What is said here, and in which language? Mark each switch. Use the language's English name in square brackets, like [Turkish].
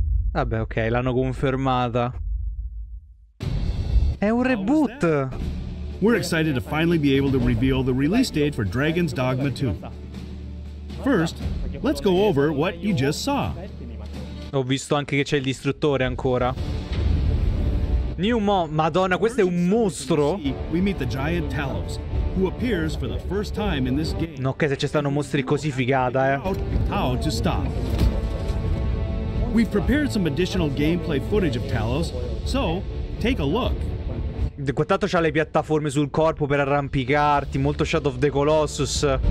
[Italian] Vabbè, ok, l'hanno confermata. È un reboot. [English] We're excited to finally be able to reveal the release date for Dragon's Dogma 2. First, let's go over what you just saw. [Italian] Ho visto anche che c'è il distruttore ancora. Madonna, questo è un mostro. [English] We meet the giant Talos, who appears for the first time in this game. [Italian] No, che se ci stanno mostri così figata, eh. [English] How to stop. We've prepared some additional gameplay footage of Talos, so take a look. [Italian] Quattro c'ha le piattaforme sul corpo per arrampicarti, molto Shadow of the Colossus.